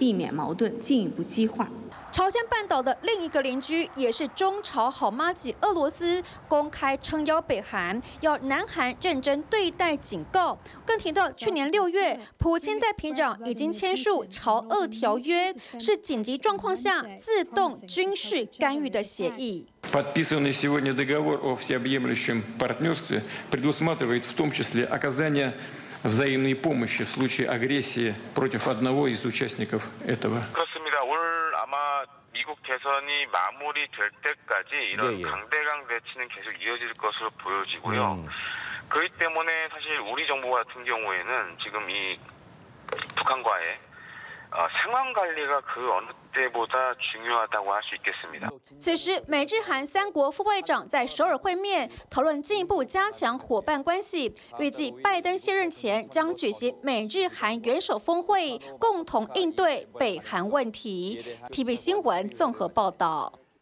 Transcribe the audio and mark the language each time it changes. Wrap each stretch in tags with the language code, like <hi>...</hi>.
<zh>最近几年，随着尹学政府加强和美国以及日本的军事合作，可以说重回紧张对峙的老路。北韩一系列动作被认为是回应南韩军演与美国战略部署。美国国务院呼吁北韩缓和局势，停止任何增加冲突风险的行为。半岛局势紧张，不符合各方的共同利益。当务之急是避免矛盾进一步激化。朝鲜半岛的另一个邻居也是中朝好妈吉俄罗斯，公开撑腰北韩，要南韩认真对待警告。更提到去年六月，普京在平壤已经签署朝俄条约，是紧急状况下自动军事干预的协议。</zh> <ru>Подписанный сегодня договор о всеобъемлющем партнерстве предусматривает в том числе оказание взаимной помощи в случае агрессии против одного из участников этого.</ru> <ko>대선이 마무리될 때까지 이런 강대강 대치는 계속 이어질 것으로 보여지고요. 그렇기 때문에 사실 우리 정부 같은 경우에는 지금 이 북한과의 상황관리가 그 어느 때보다 중요하다고 할 수 있겠습니다.</ko> <zh>此时 美日韩 3국 副外长在首尔会面 讨论进一步加强伙伴关系 预计拜登卸任前将举行美日韩元首峰会 共同应对北韩问题 TV新闻综合报道。</zh>